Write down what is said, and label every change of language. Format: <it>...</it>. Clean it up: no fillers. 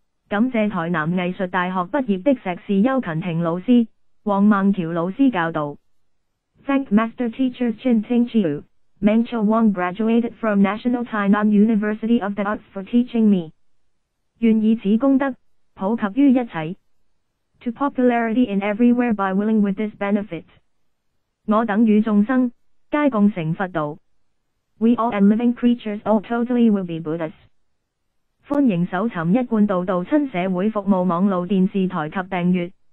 <zh>感谢台南艺术大学毕业的硕士邱勤婷老师、黄孟桥老师教导。</zh> <en>Thank Master Teacher Chin Ting Chiu. Mengcha Wang graduated from National Tainan University of the Arts for teaching me.</en> <zh>愿以此功德普及于一切。</zh> <en>To popularity in everywhere by willing with this benefit.</en> <zh>我等与众生皆共成佛道。</zh> <en>We all and living creatures all totally will be Buddhas.</en> <zh>欢迎搜寻一贯道道亲社会服务网路电视台及订阅。</zh>